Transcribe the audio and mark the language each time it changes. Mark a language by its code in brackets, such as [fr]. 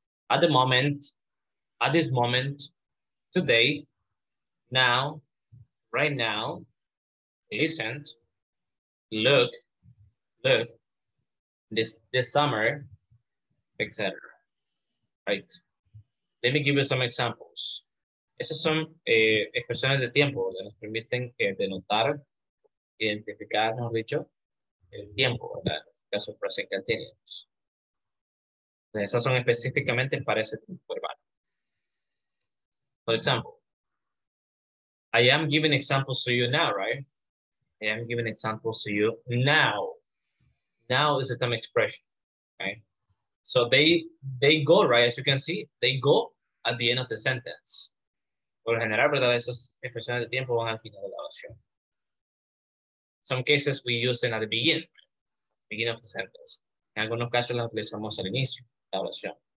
[en] At the moment, at this moment, today, now, right now, isn't, look, this summer, etc. Right? Let me give you some examples. [es] Esas son expresiones de tiempo que nos permiten denotar, identificar, mejor dicho, el tiempo, ¿verdad? En este caso, present continuous. Esas son específicamente para ese tiempo verbal. [en] For example, I am giving examples to you now, right? I am giving examples to you now. Now is a time expression, okay? So they go, right? As you can see, they go at the end of the sentence. [es] Por general, ¿verdad? Esas expresiones de tiempo van al final de la oración. [en] Some cases we use them at the beginning of the sentence. [es] En algunos casos las utilizamos al inicio de la oración.